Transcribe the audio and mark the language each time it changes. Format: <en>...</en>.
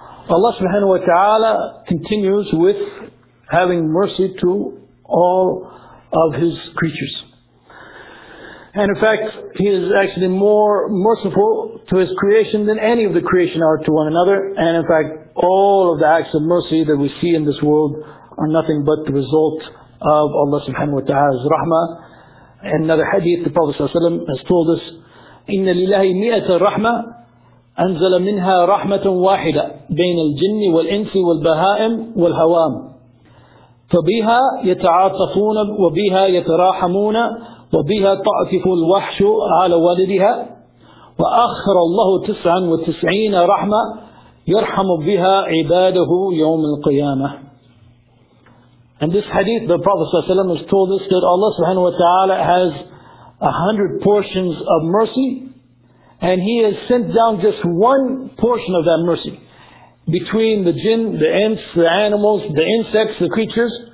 <en>Allah subhanahu wa ta'ala continues with having mercy to all of his creatures. And in fact, he is actually more merciful to his creation than any of the creation are to one another. And in fact, all of the acts of mercy that we see in this world are nothing but the result of Allah subhanahu wa ta'ala's rahmah. And another hadith, the Prophet has told us,</en> <ar>إِنَّ لِلَّهِ مِئَةَ رَحْمَةٍ أَنْزَلَ مِنْهَا رَحْمَةً وَاحِدَةً بَيْنَ الْجِنِّ وَالْإِنْسِ وَالْبَهَائِمِ وَالْهَوَامِ فَبِهَا يَتَعَاطَفُونَ وَبِهَا يَتَرَاحَمُونَ وَبِهَا تَعْتِفُ الْوَحْشُ عَلَى وَالِدِهَا وَأَخْرَ اللَّهُ 99 رَحْمَةً يَرْحَمُ بِهَا عِبَادَهُ يَوْمَ الْقِيَامَةِ.</ar> <en>And this hadith, the Prophet ﷺ has told us that Allah subhanahu wa ta'ala has 100 portions of mercy, and he has sent down just one portion of that mercy between the jinn, the ants, the animals, the insects, the creatures.</en>